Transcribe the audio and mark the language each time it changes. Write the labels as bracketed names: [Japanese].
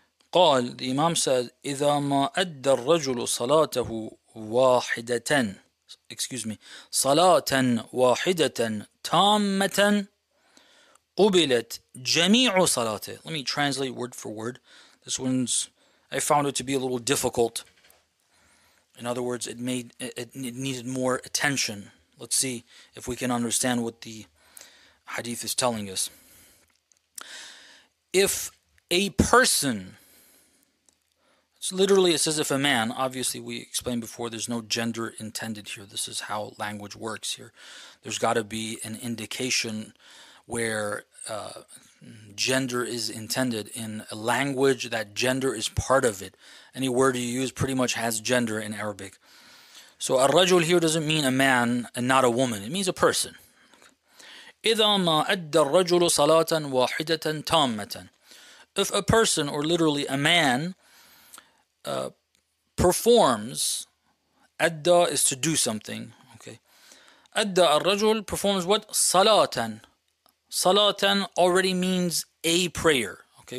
[Arabic] قال [English] the Imam said [Arabic] إذا ما أدى الرجل صلاته واحدة صلاة واحدة تامة قبلت جميع صلاته. [English] Let me translate word for word. This one's I found it to be a little difficult. In other words, it needed more attention. Let's see if we can understand what the hadith is telling us. If a person, so literally, it says if a man, obviously we explained before, there's no gender intended here. This is how language works here. There's got to be an indication where gender is intended in a language that gender is part of it. Any word you use pretty much has gender in Arabic. So al-rajul here doesn't mean a man and not a woman. It means a person. [Arabic] إذا ما أدى الرجل صلاة واحدة تامة. [English] If a person, or literally a man, performs, adda is to do something, okay? Adda al-rajul performs what? Salatan. Salatan already means a prayer, okay?